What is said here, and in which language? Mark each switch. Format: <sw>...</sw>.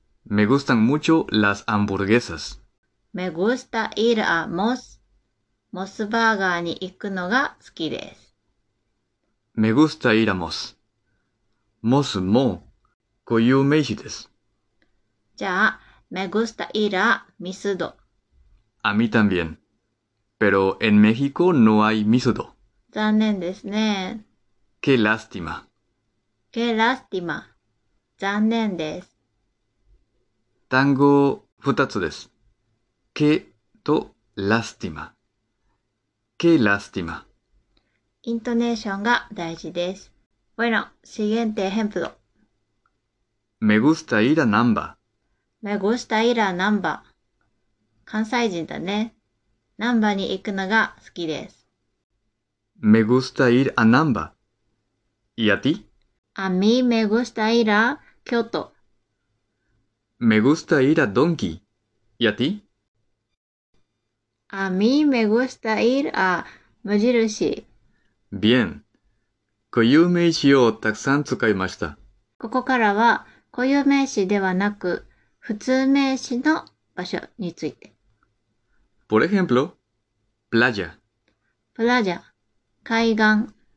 <es>Me gustan mucho las hamburguesas. Me gusta ir a Moss.</es> <ja>モスバーガーに行くのが好きです。</ja> <es>Me gusta ir a Moss.</es> <ja>Moss も固有名詞です。</ja> <es>じゃあ、me gusta ir a Misudo. A mí también. Pero en México no hay misudo.</es> <ja>残念ですね。</ja> <es>Qué lástima. Qué lástima.</es> <ja>残念です。単語二つです。Qué と lástima.</ja> <es>Qué lástima.</es> <ja>イントネーションが大事です。</ja> <es>Bueno, siguiente ejemplo. Me gusta ir a Namba. Me gusta ir a Namba.</es> <ja>関西人だね。ナンバに行くのが好きです。</ja> <es>Me gusta ir a Namba. ¿Y a ti? A mí me gusta ir a Kyoto. Me gusta ir a Donki. ¿Y a ti? A mí me gusta ir a 無印. Bien.</es> <ja>固有名詞をたくさん使いました。ここからは固有名詞ではなく普通名詞の場所について。</ja> <es>Por ejemplo, playa. Playa, 海岸.</es>